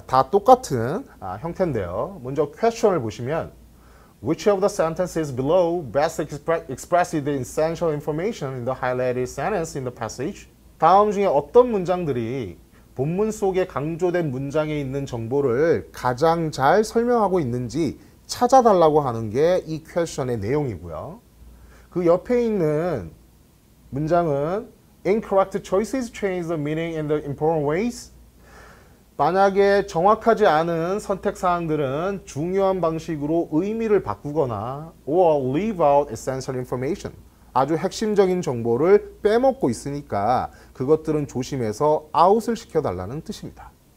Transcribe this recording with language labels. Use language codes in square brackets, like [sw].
[en] 다 똑같은 형태인데요. 먼저 퀘션을 보시면 Which of the sentences below best expresses the essential information in the highlighted sentence in the passage? [ko] 다음 중에 어떤 문장들이 본문 속에 강조된 문장에 있는 정보를 가장 잘 설명하고 있는지 찾아달라고 하는 게 이 퀘션의 내용이고요. [en] 그 옆에 있는 문장은 Incorrect choices change the meaning in the important ways. [ko] 만약에 정확하지 않은 선택사항들은 중요한 방식으로 의미를 바꾸거나 or leave out essential information. 아주 핵심적인 정보를 빼먹고 있으니까 그것들은 조심해서 아웃을 시켜달라는 뜻입니다.